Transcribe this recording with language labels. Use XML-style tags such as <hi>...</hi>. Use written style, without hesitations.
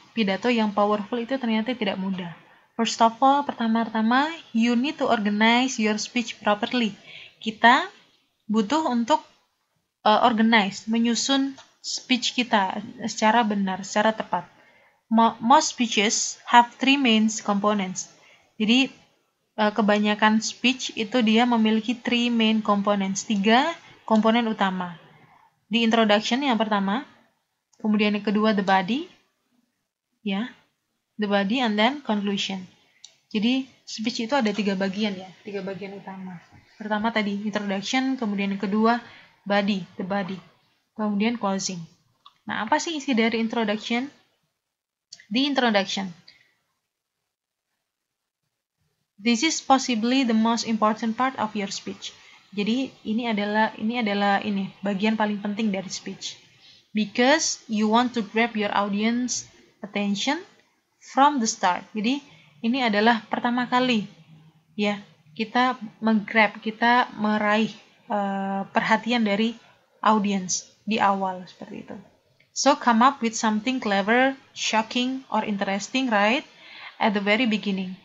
<id>Pidato yang powerful itu ternyata tidak mudah.</id> <en>First of all, pertama-tama, you need to organize your speech properly.</en> <id>Kita butuh untuk organize, menyusun speech kita secara benar, secara tepat.</id> <en>Most speeches have three main components. Jadi, kebanyakan speech itu dia memiliki three main components.</en> <id>Tiga komponen utama. The introduction yang pertama, kemudian yang kedua the body, ya, the body and then conclusion. Jadi speech itu ada tiga bagian ya, tiga bagian utama. Pertama tadi introduction, kemudian yang kedua body, the body, kemudian closing. Nah apa sih isi dari introduction? The introduction.</id> <en>This is possibly the most important part of your speech.</en> <id>Jadi ini adalah bagian paling penting dari speech.</id> <en>Because you want to grab your audience attention from the start.</en> <id>Jadi ini adalah pertama kali ya kita menggrab, kita meraih perhatian dari audience di awal seperti itu.</id> <en>So come up with something clever, shocking or interesting right at the very beginning.</en>